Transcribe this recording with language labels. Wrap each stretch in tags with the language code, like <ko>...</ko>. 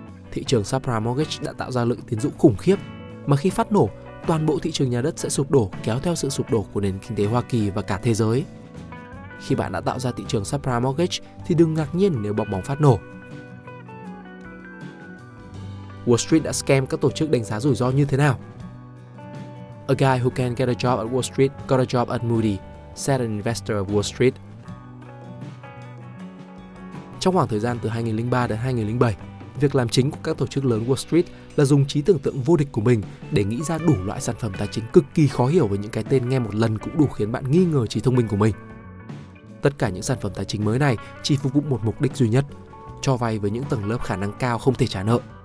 <vi>Thị trường subprime mortgage đã tạo ra lượng tín dụng khủng khiếp, mà khi phát nổ, toàn bộ thị trường nhà đất sẽ sụp đổ kéo theo sự sụp đổ của nền kinh tế Hoa Kỳ và cả thế giới. Khi bạn đã tạo ra thị trường subprime mortgage thì đừng ngạc nhiên nếu bong bóng phát nổ. Wall Street đã scam các tổ chức đánh giá rủi ro như thế nào?</vi> <en>A guy who can get a job at Wall Street got a job at Moody, said an investor of Wall Street.</en> <vi>Trong khoảng thời gian từ 2003 đến 2007, việc làm chính của các tổ chức lớn Wall Street là dùng trí tưởng tượng vô địch của mình để nghĩ ra đủ loại sản phẩm tài chính cực kỳ khó hiểu với những cái tên nghe một lần cũng đủ khiến bạn nghi ngờ trí thông minh của mình. Tất cả những sản phẩm tài chính mới này chỉ phục vụ một mục đích duy nhất, cho vay với những tầng lớp khả năng cao không thể trả nợ.</vi>